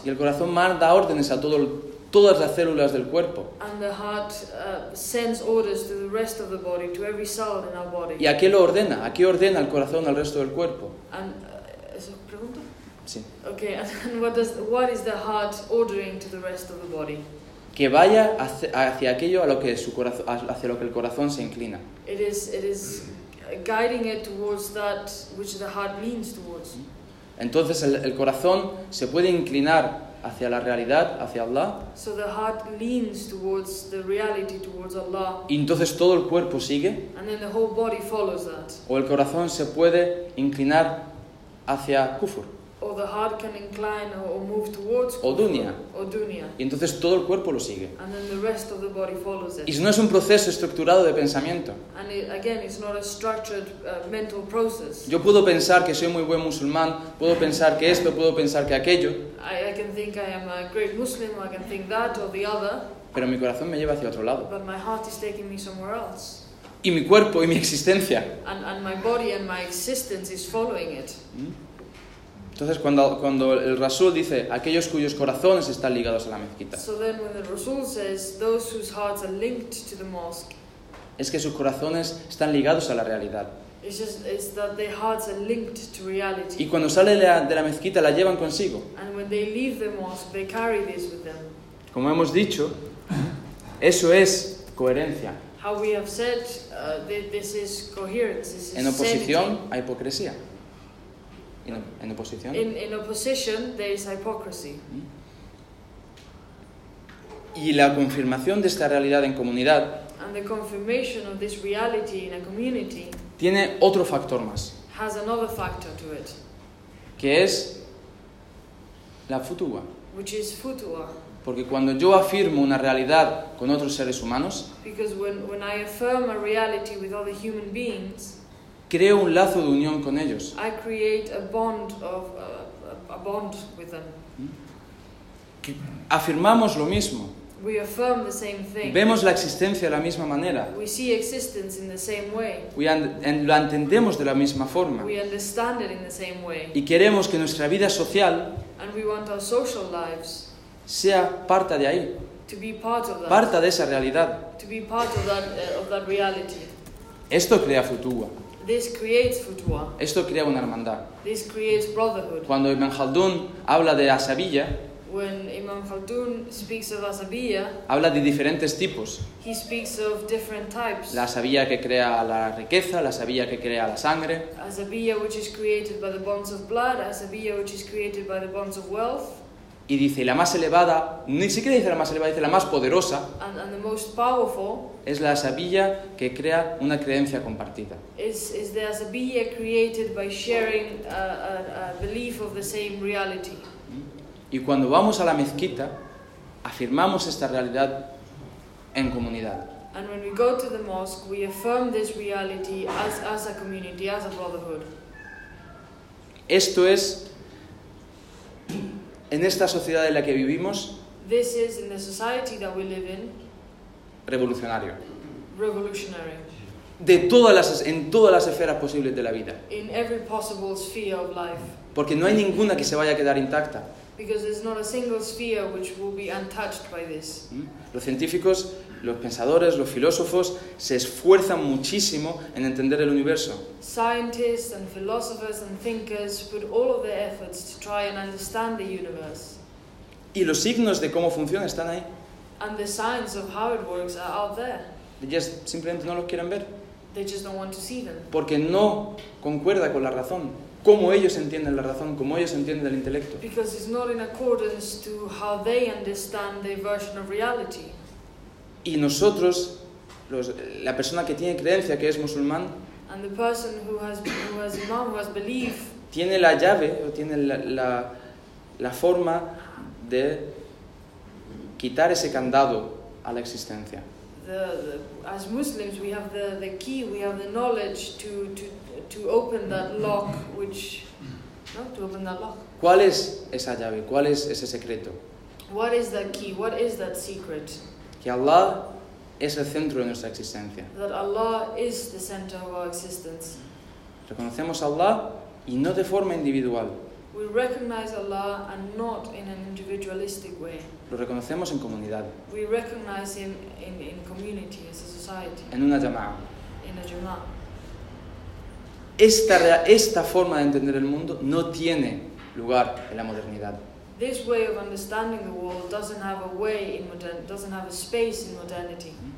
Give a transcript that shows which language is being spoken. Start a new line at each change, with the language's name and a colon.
Spanish: Y el corazón manda órdenes a todas las células del cuerpo.
English: And the heart sends orders to the rest of the body, to every cell in our body.
Spanish: ¿Y a qué lo ordena? ¿A qué ordena el corazón al resto del cuerpo? And, ¿eso pregunto? Sí.
English: Okay, and what is the heart ordering to the rest of the body?
Spanish: Que vaya hacia aquello a lo que su corazón, hacia lo que el corazón se inclina.
English: It is guiding it towards that which the heart leans towards.
Spanish: Entonces el corazón se puede inclinar hacia la realidad, hacia Allah.
English: So the heart leans towards the reality, towards Allah.
Spanish: Y entonces todo el cuerpo sigue.
English: And then the whole body follows that.
Spanish: O el corazón se puede inclinar hacia kufur.
English: Or the heart can incline or move towards
Spanish: kufur. O dunya. O dunya. Y entonces todo el cuerpo lo sigue.
English: And then the rest of the body follows it.
Spanish: Y no es un proceso estructurado de pensamiento.
English: And again, it's not a structured mental process.
Spanish: Yo puedo pensar que soy muy buen musulmán, puedo pensar que esto, puedo pensar que aquello.
English: I can think I am a great Muslim, or I can think that or the other.
Spanish: Pero mi corazón me lleva hacia otro lado.
English: But my heart is taking me somewhere else.
Spanish: Y mi cuerpo y mi existencia.
English: And my body and my existence is following it.
Spanish: Entonces cuando el Rasul dice aquellos cuyos corazones están ligados a la mezquita.
English: So then when the Rasul says those whose hearts are linked to the mosque.
Spanish: Es que sus corazones están ligados a la realidad.
English: It's just it's that their hearts are linked to reality.
Spanish: Y cuando sale de la mezquita la llevan consigo.
English: And when they leave the mosque they carry this with them.
Spanish: Como hemos dicho, eso es coherencia.
English: How we have said this is coherence. This is
Spanish: en oposición
English: sanity.
Spanish: A hipocresía. En oposición.
English: In opposition, there is hypocrisy.
Spanish: Y la confirmación de esta realidad en comunidad.
English: And the confirmation of this reality in a community.
Spanish: Tiene otro factor más.
English: Has another factor to it.
Spanish: Que es la futuwa.
English: Which is futuwa.
Spanish: Porque cuando yo afirmo una realidad con otros seres humanos.
English: Because when I affirm a reality with other human beings.
Spanish: Creo un lazo de unión con ellos.
English: I create a bond of a bond with them.
Spanish: Afirmamos lo mismo.
English: We affirm the same thing.
Spanish: Vemos la existencia de la misma manera.
English: We see existence in the same way.
Spanish: Lo entendemos de la misma forma.
English: We understand it in the same way.
Spanish: Y queremos que nuestra vida social,
English: and we want our social lives,
Spanish: sea parte de ahí.
English: To be part of that.
Spanish: Parte de esa realidad.
English: To be part of that reality.
Spanish: Esto crea futuwa.
English: This creates futuwa.
Spanish: Esto crea una hermandad.
English: This creates brotherhood.
Spanish: Cuando Ibn Khaldun habla de Asabiyya,
English: when Ibn Khaldun speaks of Asabiyya,
Spanish: habla de diferentes tipos.
English: He speaks of different types.
Spanish: La Asabiyya que crea la riqueza, la Asabiyya que crea la sangre.
English: Asabiyya which is created by the bonds of blood, Asabiyya which is created by the bonds of wealth.
Spanish: Y dice, la más elevada, ni siquiera dice la más elevada, dice la más poderosa.
English: And the most powerful,
Spanish: es la Asabiyya que crea una creencia compartida.
English: Is the Asabiyya created by sharing a belief of the same reality.
Spanish: Y cuando vamos a la mezquita, afirmamos esta realidad en comunidad.
English: And when we go to the mosque, we affirm this reality as a community, as a brotherhood.
Spanish: Esto es... En esta sociedad en la que vivimos,
English: this is in the society that we live in,
Spanish: revolucionario.
English: Revolutionary.
Spanish: En todas las esferas posibles de la vida.
English: In every possible sphere of life.
Spanish: Porque no hay ninguna que se vaya a quedar intacta.
English: Because there's not a single sphere which will be untouched by this.
Spanish: Los científicos, los pensadores, los filósofos se esfuerzan muchísimo en entender el universo.
English: Scientists and philosophers and thinkers put all of their efforts to try and understand the universe.
Spanish: Y los signos de cómo funciona están ahí.
English: And the signs of how it works are out there. They just
Spanish: simplemente no los quieren ver.
English: They just don't want to see them.
Spanish: Porque no concuerda con la razón. Cómo ellos entienden la razón, cómo ellos entienden el intelecto.
English: Because it's not in accordance to how they understand their version of reality.
Spanish: Y nosotros, la persona que tiene creencia, que es musulmán,
English: and the person who has imam, who has belief,
Spanish: tiene la llave o tiene la forma de quitar ese candado a la existencia.
English: As Muslims, we have the key, we have the knowledge to open that lock, which no, to open that lock.
Spanish: ¿Cuál es esa llave? ¿Cuál es ese secreto?
English: What is that key? What is that secret?
Spanish: Que Allah es el centro de nuestra existencia.
English: That Allah is the center of our existence.
Spanish: Reconocemos a Allah y no de forma individual.
English: We recognize Allah and not in an individualistic way.
Spanish: Lo reconocemos en comunidad.
English: We recognize him in community, as a society.
Spanish: En una llamada.
English: In a jama'ah.
Spanish: Esta forma de entender el mundo no tiene lugar en la modernidad.
English: This way of understanding the world doesn't have a space in modernity.